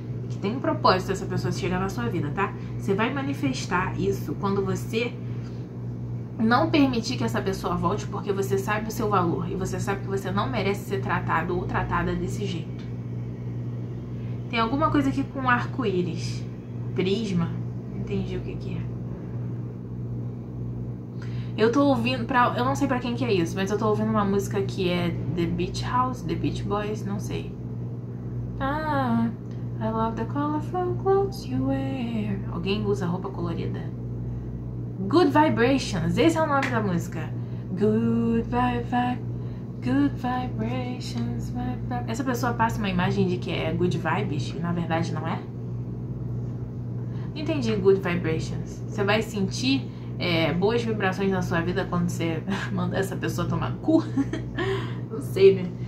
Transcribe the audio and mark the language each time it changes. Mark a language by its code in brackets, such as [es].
[pt] Que tem um propósito essa pessoa chegar na sua vida, tá? Você vai manifestar isso quando você não permitir que essa pessoa volte, porque você sabe o seu valor. E você sabe que você não merece ser tratado ou tratada desse jeito. Tem alguma coisa aqui com arco-íris. Prisma. Entendi o que que é. Eu tô ouvindo pra... Eu não sei pra quem que é isso, mas eu tô ouvindo uma música que é The Beach House, The Beach Boys, não sei. [en] Ah, I love the colorful clothes you wear. [pt] Alguém usa roupa colorida. Good Vibrations, esse é o nome da música. [en] Good Good Vibrations. [pt] Essa pessoa passa uma imagem de que é Good Vibes, e na verdade não é? Entendi, Good Vibrations. Você vai sentir... É, boas vibrações na sua vida quando você manda essa pessoa tomar cu. Não sei, né?